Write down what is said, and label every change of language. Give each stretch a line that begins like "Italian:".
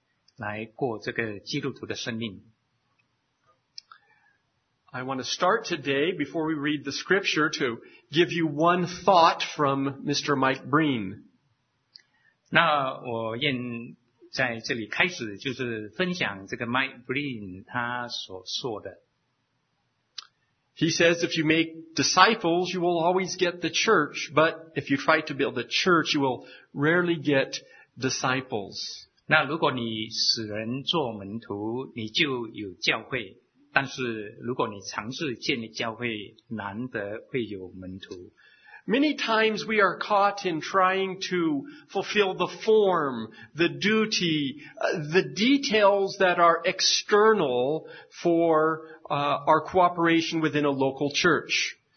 Chinese: 那我要跟大家在腓立比书那边分享，也就是说，我们可以有意识的来生活，来过这个基督徒的生命。
English: I want to start today before we read the scripture to give you one thought from Mr. Mike Breen.
Chinese: 那我愿在这里开始就是分享这个 Mike Breen 他所说的。
English: He says, if you make disciples, you will always get the church, but if you try to build the church, you will rarely get disciples.
Chinese: 那如果你使人做门徒，你就有教会。但是如果你尝试建立教会，难得会有门徒。
English: Many times we are caught in trying to fulfill the form, the duty, the details that are external for our cooperation within a local church.